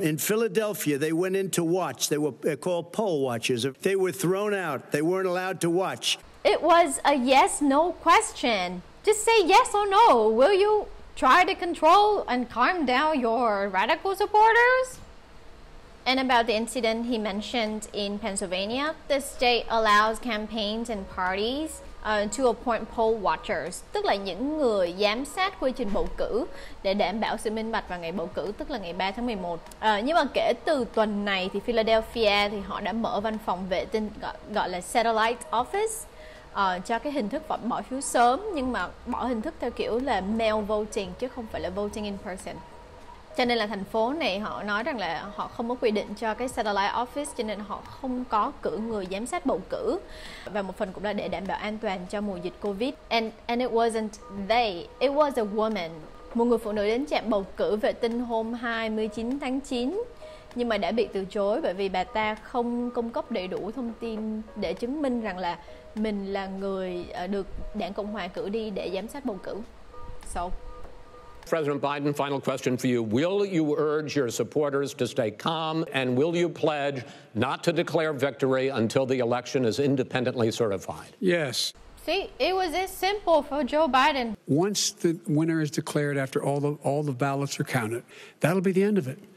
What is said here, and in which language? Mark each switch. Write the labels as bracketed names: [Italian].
[English] In Philadelphia, they went in to watch. They were called poll watchers. They were thrown out. They weren't allowed to watch. It was a yes-no question. Just say yes or no. Will you try to control and calm down your radical supporters? And about the incident he mentioned in Pennsylvania, the state allows campaigns and parties to appoint poll watchers, [Vietnamese] tức là những người giám sát quy trình bầu cử để đảm bảo sự minh bạch vào ngày bầu cử, tức là ngày 3 tháng 11. Nhưng mà kể từ tuần này thì Philadelphia thì họ đã mở văn phòng vệ tinh gọi là satellite office cho cái hình thức bỏ phiếu sớm, nhưng mà bỏ hình thức theo kiểu là mail voting chứ không phải là voting in person. Cho nên là thành phố này họ nói rằng là họ không có quy định cho cái satellite office, cho nên họ không có cử người giám sát bầu cử. Và một phần cũng là để đảm bảo an toàn cho mùa dịch COVID. [English] And it wasn't they, it was a woman. [Vietnamese] Một người phụ nữ đến trạm bầu cử vệ tinh hôm 29 tháng 9, nhưng mà đã bị từ chối bởi vì bà ta không cung cấp đầy đủ thông tin để chứng minh rằng là mình là người được đảng Cộng Hòa cử đi để giám sát bầu cử. [English] So, President Biden, final question for you. Will you urge your supporters to stay calm, and will you pledge not to declare victory until the election is independently certified? Yes. See, it was this simple for Joe Biden. Once the winner is declared after all the ballots are counted, that'll be the end of it.